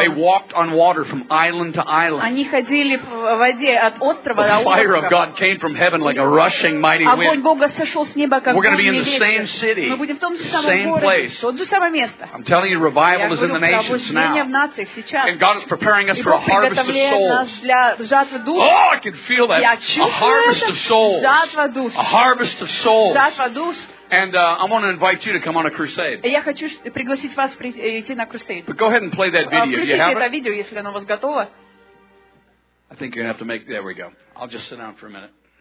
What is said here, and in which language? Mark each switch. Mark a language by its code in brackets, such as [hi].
[en] They walked on water from island to island. [ru] Они ходили по воде от острова до острова. [en] The fire of God came from heaven like a rushing mighty wind. [ru] Огонь Бога сошел с неба как бурный ветер. [en] We're going to be in the same city. [ru] Мы будем в том же самом городе, тот же самое место. [en] I'm telling you, revival is in the nations now. [ru] Я говорю, пробуждение в нациях сейчас. [en] And God is preparing us for a harvest of souls. Oh, I can feel that. A harvest of souls. A harvest of souls. And I want to invite you to come on a crusade. [ru] Я хочу пригласить вас прийти на крусейд. [en] But go ahead and play that video. [ru] Включите это видео, если оно у вас готово. [en] I think you're going to have to make... There we go. I'll just sit down for a minute.